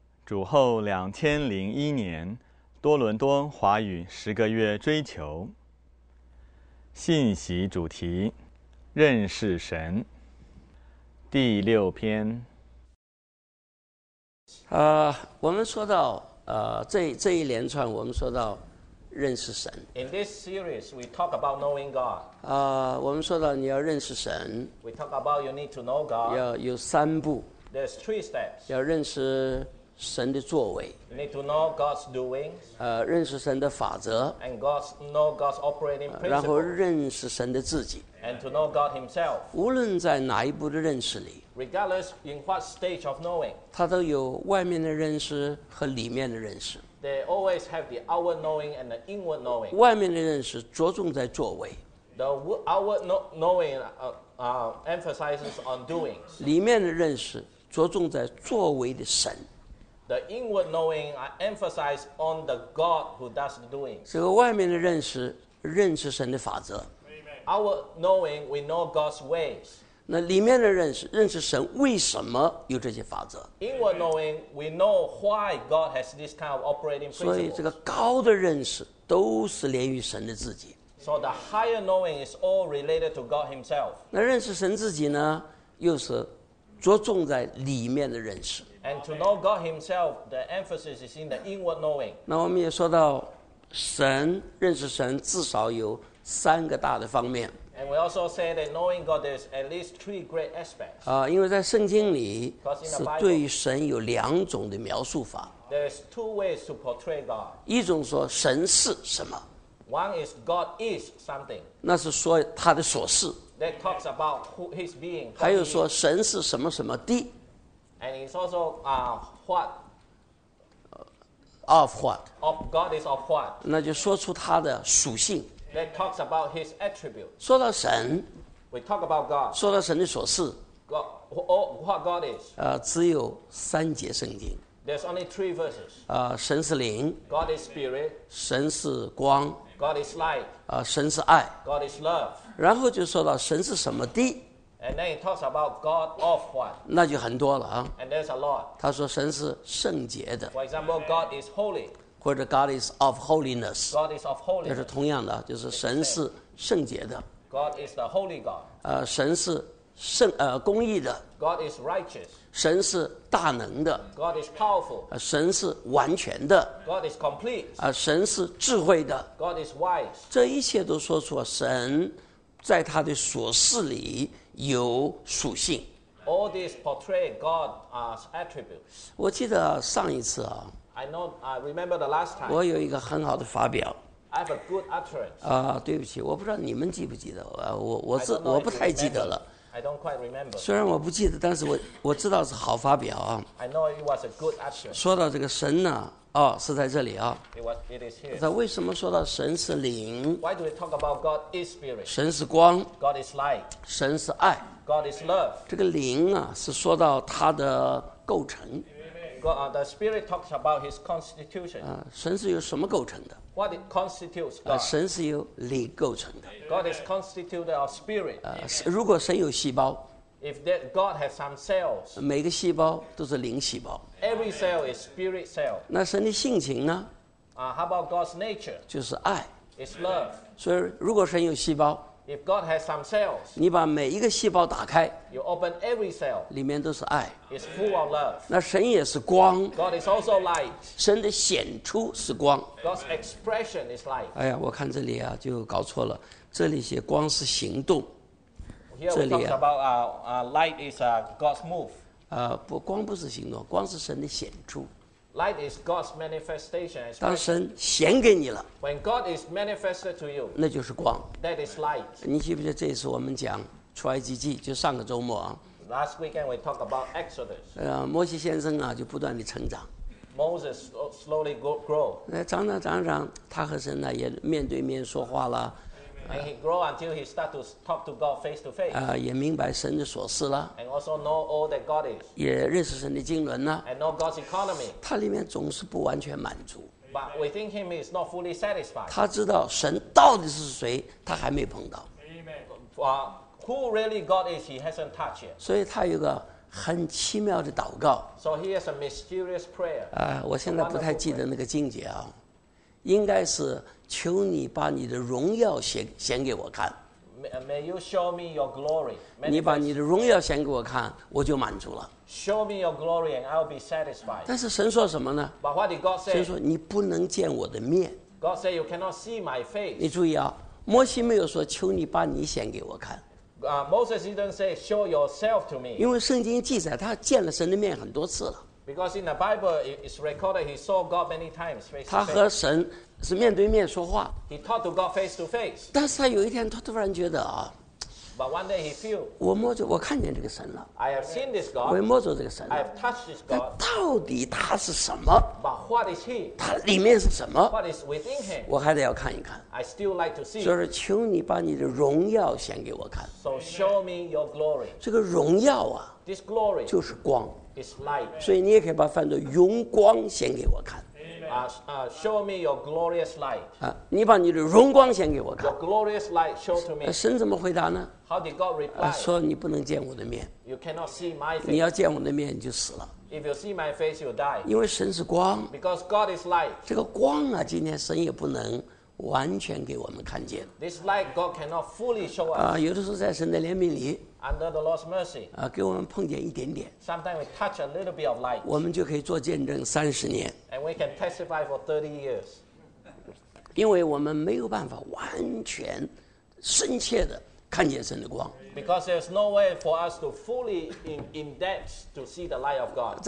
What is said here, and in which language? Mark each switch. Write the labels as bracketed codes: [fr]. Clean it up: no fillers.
[zh] 主后2001年，多伦多华语10个月追求。信息主题：认识神。第六篇。我们说到这一连串，我们说到认识神。 [en] In this series, we talk about knowing God. [zh] 我们说到你要认识神。 [en] We talk about you need to know God. [zh] 要有三步。 [en] There's three steps. [zh] 要认识神的作为。 [en] You need to know God's doings. [zh] 认识神的法则。 [en] And God's know God's operating principle. [zh] 然后认识神的自己。 [en] And to know God Himself. [zh] 无论在哪一步的认识里。 [en] Regardless in what stage of knowing, [zh] 它都有外面的认识和里面的认识。 [en] They always have the outward knowing and the inward knowing. [zh] 外面的认识着重在作为。 [en] The outward knowing emphasizes on doings. [zh] 里面的认识着重在作为的神。 [en] The inward knowing emphasizes on the God who does the doing. [zh] 这个外面的认识认识神的法则。 [en] Amen. Our knowing, we know God's ways. [zh] 那里面的认识，认识神为什么有这些法则？ [en] Inward knowing, we know why God has this kind of operating principle. [zh] 所以这个高的认识都是连于神的自己。 [en] So the higher knowing is all related to God Himself. [zh] 那认识神自己呢，又是着重在里面的认识。 [en] And to know God Himself, the emphasis is in the inward knowing. [zh] 那我们也说到神，认识神至少有三个大的方面。 [en] And we also say that knowing God is at least three great aspects. [zh] 因为在圣经里是对于神有两种的描述法。 [en] There's two ways to portray God. [zh] 一种说神是什么。 [en] One is God is something. [zh] 那是说他的所是。 [en] That talks about who his being. [zh] 还有说神是什么什么的。 [en] And it's also what. Of what. Of God is of what. [zh] 那就说出他的属性。 [en] That talks about his attributes. [zh] 说到神 [en] we talk about God. [zh] 说到神的所事 [en] God, what God is. [zh] 只有三节圣经 [en] There's only three verses. [zh] 神是灵 [en] God is spirit. [zh] 神是光 [en] God is light. [zh] 神是爱 [en] God is love. [zh] 然后就说到神是什么的 [en] And then it talks about God of what. [zh] 那就很多了啊 [en] And there's a lot. [zh] 他说神是圣洁的 [en] For example, God is holy. [zh] 或者 [en] God is of holiness, God is of holiness. [zh] 这是同样的就是神是圣洁的 [en] God is the holy God. [zh] 神是公义的 [en] God is righteous. [zh] 神是大能的 [en] God is powerful. [zh] 神是完全的 [en] God is complete. [zh] 神是智慧的 [en] God is wise. [zh] 这一切都说出神在他的所事里有属性 [en] All these portray God's attributes. [zh] 我记得上一次啊 [en] I know. I remember the last time. [zh] 我有一个很好的发表。 [en] I have a good utterance. [zh] 对不起，我不知道你们记不记得。我不太记得了。 [en] I don't quite remember. [zh] 虽然我不记得，但是我知道是好发表啊。 [en] I know it was a good utterance. [zh] 说到这个神呢，是在这里啊。 [en] It is here. [zh] 那为什么说到神是灵 [en] ？Why do we talk about God is spirit? [zh] 神是光。 [en] God is light. [zh] 神是爱。 [en] God is love. [zh] 这个灵啊，是说到它的构成。 [en] The spirit talks about his constitution. [zh] 神是由什么构成的 [en] ？What it constitutes God? [zh] 神是由灵构成的。 [en] God is constituted of spirit. [zh] 如果神有细胞 [en] ，If that God has some cells, [zh] 每个细胞都是灵细胞。 [en] Every cell is spirit cell. [zh] 那神的性情呢 [en] ？How about God's nature? [zh] 就是爱。 [en] It's love. [zh] 所以，如果神有细胞 [en] ，If God has some cells, [zh] 你把每一个细胞打开。 [en] You open every cell. [zh] 里面都是爱。 [en] It's full of love. [zh] 那神也是光。 [en] God is also light. [zh] 神的显出是光。 [en] God's expression is light. [zh] 哎呀，我看这里啊，就搞错了。这里写光是行动。这里啊。 [en] Here we talk about light is God's move. [zh] 不，光不是行动，光是神的显出。 [en] Light is God's manifestation. [zh] 当神显给你了。 [en] When God is manifested to you. [zh] 那就是光。 [en] That is light. [zh] 你记不记得这一次我们讲？出埃及记就上个周末啊。 [en] Last weekend we talk about Exodus. [zh] 摩西先生啊就不断地成长。 [en] Moses slowly grow. [zh] 长，他和神呢也面对面说话了。 [en] And he grow until he start to talk to God face to face. [zh] 也明白神的所事了。 [en] And also know all that God is. [zh] 也认识神的经纶了。 [en] And know God's economy. [zh] 他里面总是不完全满足。 [en] But within him is not fully satisfied. [zh] 他知道神到底是谁，他还没碰到。 [en] Amen. Who really God is, he hasn't touched yet. [zh] 所以他有个很奇妙的祷告。 [en] So he has a mysterious prayer. [zh] 啊，我现在不太记得那个经节啊，应该是求你把你的荣耀显给我看。 [en] May you show me your glory. [zh] 你把你的荣耀显给我看，我就满足了。 [en] Show me your glory and I'll be satisfied. [zh] 但是神说什么呢 [en] ？But what did God say? [zh] 神说你不能见我的面。 [en] God said you cannot see my face. [zh] 你注意啊，摩西没有说求你把你显给我看。 [en] Moses didn't say show yourself to me. [zh] 因为圣经记载他见了神的面很多次了。 [en] Because in the Bible it's recorded he saw God many times face to face. [zh] 他和神是面对面说话。 [en] He talked to God face to face. [zh] 但是他有一天他突然觉得啊。 [en] But one day he feel. [zh] 我看见这个神了。 [en] I have seen this God. [zh] 我摸着这个神了。 [en] I have touched this God. [zh] 到底他是什么 [en] ？But what is he? [zh] 他里面是什么 [en] ？What is within him? [zh] 我还得要看一看。 [en] I still like to see. [zh] 就是求你把你的荣耀显给我看。 [en] So show me your glory. [zh] 这个荣耀啊 [en] ，This glory [zh] 就是光。 [en] It's light. [zh] 所以你也可以把翻作荣光显给我看。 [en] Show me your glorious light. [zh] 你把你的荣光显给我看。 [en] Your glorious light, show to me. [zh] 神怎么回答呢 [en] ？How did God reply? [zh] 说你不能见我的面。 [en] You cannot see my face. [zh] 你要见我的面，你就死了。 [en] If you see my face, you die. [zh] 因为神是光。 [en] Because God is light. [zh] 这个光啊，今天神也不能完全给我们看见。 [en] This light, God cannot fully show us. [zh] 有的时候在神的怜悯里。 [en] Under the Lord's mercy. [zh] 给我们碰见一点点。 [en] Sometimes we touch a little bit of light. [zh] 我们就可以做见证三十年。 [en] And we can testify for 30 years. [zh] 因为我们没有办法完全深切的看见神的光。 [en] Because there's no way for us to fully in depth to see the light of God.